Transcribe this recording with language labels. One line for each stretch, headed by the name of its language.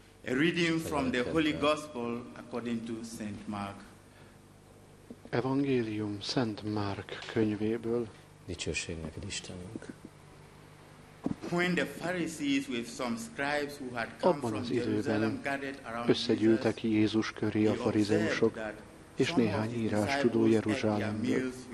English: A reading from the Holy Gospel according to Saint Mark.
Hungarian: Evangélium Szent Márk könyvéből. Dicsőség neked, Istenünk.
English: When the Pharisees with some scribes who had come
Hungarian: abban
English: from Jerusalem gathered around
Hungarian: összegyűltek Jézus köré a farizeusok és néhány írás tudó Jeruzsálemből.